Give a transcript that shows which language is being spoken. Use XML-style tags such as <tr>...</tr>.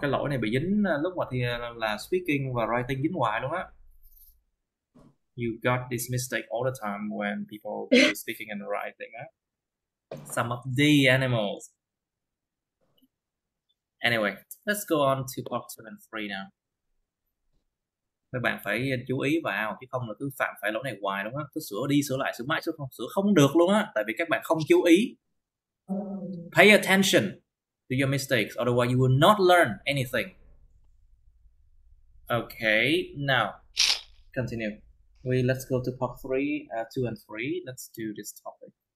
<vi>cái lỗi này bị dính lúc mà thì là speaking và writing dính hoài luôn á.</vi> <en>You got this mistake all the time when people do speaking and writing. Huh? Some of the animals. Anyway, let's go on to part 2 and 3 now.</en> <vi>Mấy bạn phải chú ý vào, chứ không là cứ phạm phải lỗi này hoài đúng không? Cứ sửa đi sửa lại, sửa mãi sửa không, sửa không được luôn á. Tại vì các bạn không chú ý.</vi> <en>Pay attention to your mistakes, otherwise you will not learn anything. Okay, now continue. Let's go to part 3, 2 and 3. Let's do this topic.</en>